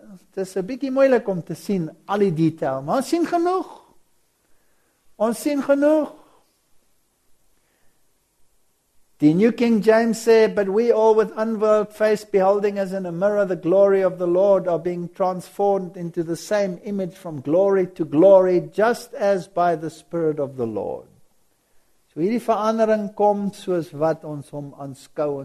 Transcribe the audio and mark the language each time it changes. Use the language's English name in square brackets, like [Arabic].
[Afrikaans] Dit is 'n bietjie moeilik om te sien al die detail, maar ons sien genoeg. Ons sien genoeg. [English] The New King James said, but we all with unveiled face beholding as in a mirror the glory of the Lord are being transformed into the same image from glory to glory, just as by the Spirit of the Lord. [Afrikaans] So hierdie verandering kom soos wat ons hom aanskou.